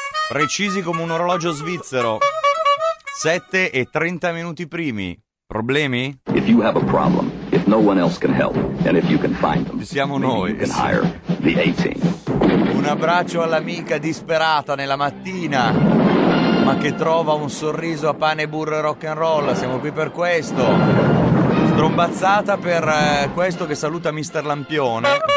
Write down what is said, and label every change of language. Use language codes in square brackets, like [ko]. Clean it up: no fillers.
[it] precisi come un orologio svizzero. 7 e 30 minuti primi. Problemi? [en] If you have a problem, if no one else can help, and if you can find them, [it] siamo noi. [en] You can hire the A-team. [it] Un abbraccio all'amica disperata nella mattina, ma che trova un sorriso a pane, burro e rock and roll. Siamo qui per questo. Strombazzata per questo che saluta Mr. Lampione.